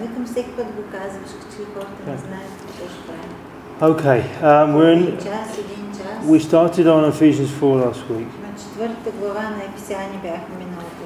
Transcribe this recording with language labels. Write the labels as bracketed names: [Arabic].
[Bulgarian] Викам всеки път го казваш, че хората не знаят какво ще правим. Okay. [English] We're in We started on Ephesians 4 last week. [Bulgarian] На четвъртата глава на Ефесяни бяхме миналото